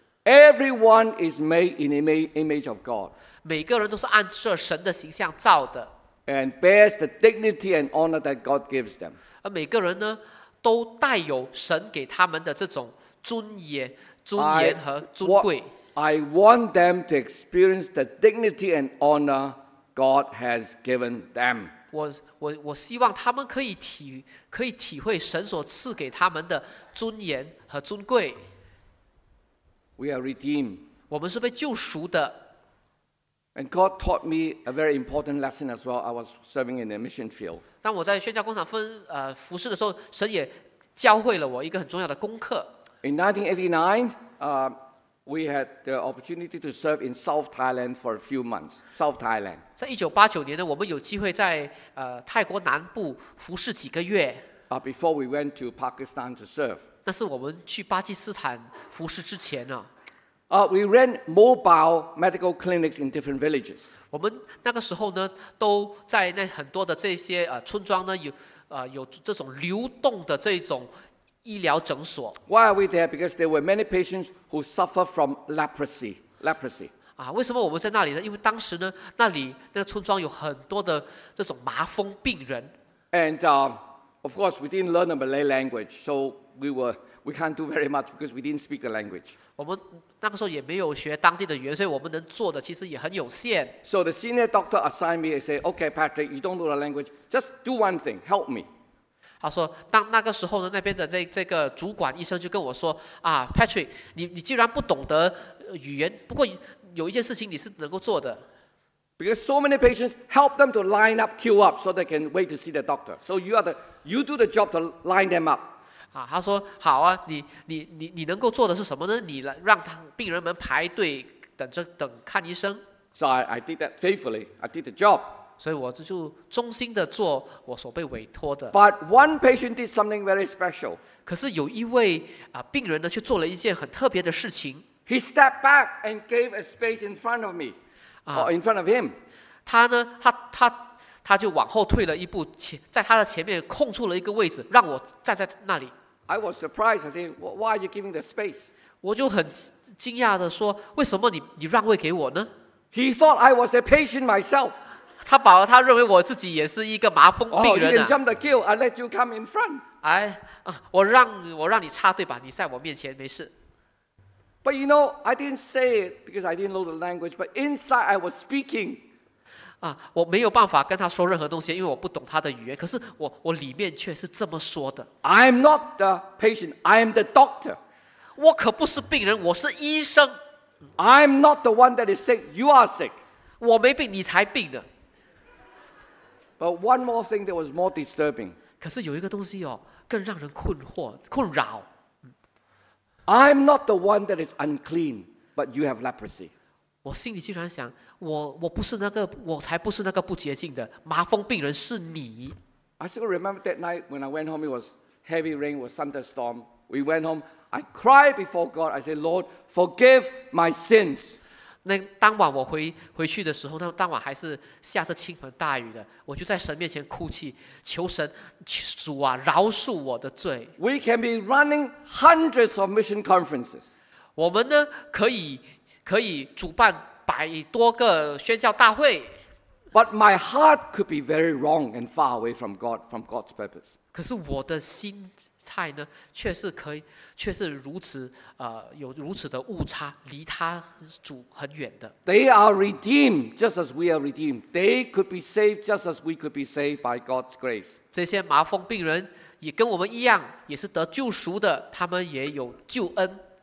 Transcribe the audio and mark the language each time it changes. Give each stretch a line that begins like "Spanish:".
English: Everyone is made in the image of God.
Chinese: 每个人都是按着神的形象造的。
English: and bears the dignity and honor that God gives them.
Chinese: 而每个人呢，都带有神给他们的这种尊严、尊严和尊贵。
English: I want them to experience the dignity and honor God has given them.
Chinese: 我希望他们可以体会神所赐给他们的尊严和尊贵。
English: We are redeemed.
Chinese: 我们是被救赎的。
English: And God taught me a very important lesson as well. I was serving in the mission field.
Chinese: 当我在宣教工厂服事的时候，神也教会了我一个很重要的功课。
English: In 1989, we had the opportunity to serve in South Thailand for a few months. South Thailand.
Chinese: 在1989年呢，我们有机会在泰国南部服事几个月。
English: Before we went to Pakistan to serve.
Chinese: 那是我们去巴基斯坦服事之前呢。
English: We ran mobile medical clinics in different villages.
Chinese: 我们那个时候呢，都在那很多的这些村庄呢，有这种流动的这种医疗诊所。
English: Why are we there? Because there were many patients who suffer from leprosy. Leprosy.
Chinese: 为什么我们在那里呢？因为当时呢，那里那个村庄有很多的这种麻风病人。
English: And of course, we didn't learn the Malay language, so we can't do very much because we didn't speak the language.
Chinese: 我们那个时候也没有学当地的语言，所以我们能做的其实也很有限。
English: So the senior doctor assigned me and said, "Okay, Patrick, you don't know the language. Just do one thing. Help me."
Chinese: 他说，当那个时候呢，那边的这个主管医生就跟我说，Patrick, 你既然不懂得语言，不过有一件事情你是能够做的。
English: Because so many patients help them to line up, queue up, so they can wait to see the doctor. So you do the job to line them up.
Chinese: 他说好啊，你能够做的是什么呢？你让病人们排队等着等看医生。
English: So I did that faithfully. I did the job.
Chinese: 所以我就忠心的做我所被委托的。
English: But one patient did something very special.
Chinese: 可是有一位病人呢，却做了一件很特别的事情。
English: He stepped back and gave a space in front of me, or in front of him.
Chinese: 他呢，他就往后退了一步，在他的前面空出了一个位置，让我站在那里。
English: I was surprised. I said, "Why are you giving the space?"
Chinese: 我就很惊讶的说，为什么你让位给我呢？
English: He thought I was a patient myself.
Chinese: 他认为我自己也是一个麻风病人。
English: Oh, you can jump the queue. I let you come in front.
Chinese: 我让你插队吧，你在我面前没事。
English: But you know, I didn't say it because I didn't know the language. But inside, I was speaking.
Chinese: 我没有办法跟他说任何东西，因为我不懂他的语言。可是我里面却是这么说的。
English: I'm not the patient. I'm the doctor.
Chinese: 我可不是病人，我是医生。
English: I'm not the one that is sick. You are sick.
Chinese: 我没病，你才病呢。
English: But one more thing that was more disturbing.
Chinese: 可是有一个东西哦，更让人困扰。
English: I'm not the one that is unclean, but you have leprosy.
Chinese: 我心里竟然想，我不是那个，我才不是那个不洁净的麻风病人，是你。
English: I still remember that night when I went home. It was heavy rain, it was thunderstorm. We went home. I cried before God. I said, "Lord, forgive my sins."
Chinese: 那当晚我回去的时候，当晚还是下着倾盆大雨的，我就在神面前哭泣，求神主啊，饶恕我的罪。
English: We can be running hundreds of mission conferences.
Chinese: 我们呢可以主办百多个宣教大会。
English: But my heart could be very wrong and far away from God, from God's purpose.
Chinese: 可是我的心态呢，却是如此有如此的误差，离他主很远的。
English: They are redeemed just as we are redeemed. They could be saved just as we could be saved by God's grace.
Chinese: 这些麻风病人也跟我们一样，也是得救赎的，他们也有救恩。